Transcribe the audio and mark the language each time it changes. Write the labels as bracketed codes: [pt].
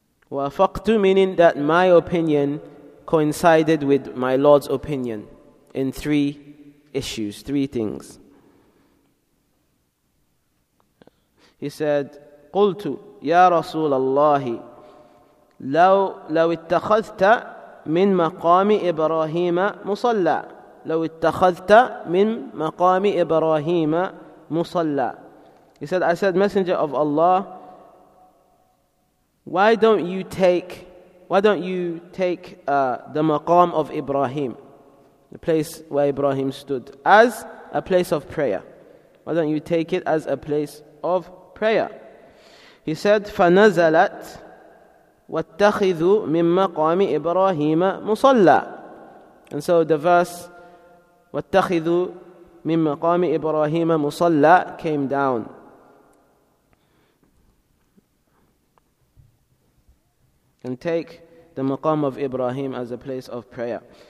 [en] وافقت meaning that my opinion coincided with my Lord's opinion in three issues, three things. He said, [ar] قلت يا رسول الله لو اتخذت من مقام إبراهيم مصلى. لو اتخذت من مقام إبراهيم مصلى. [en] He said, I said, Messenger of Allah, why don't you take the maqam of Ibrahim, the place where Ibrahim stood, as a place of prayer? Why don't you take it as a place of prayer? He said, [ar] فَنَزَلَتْ وَاتَّخِذُوا مِن مَقَامِ إِبْرَاهِيمَ مُصَلَّى. [en] And so the verse, [ar] وَاتَّخِذُوا مِن مَقَامِ إِبْرَاهِيمَ مُصَلَّى [en] came down. And take the maqam of Ibrahim as a place of prayer.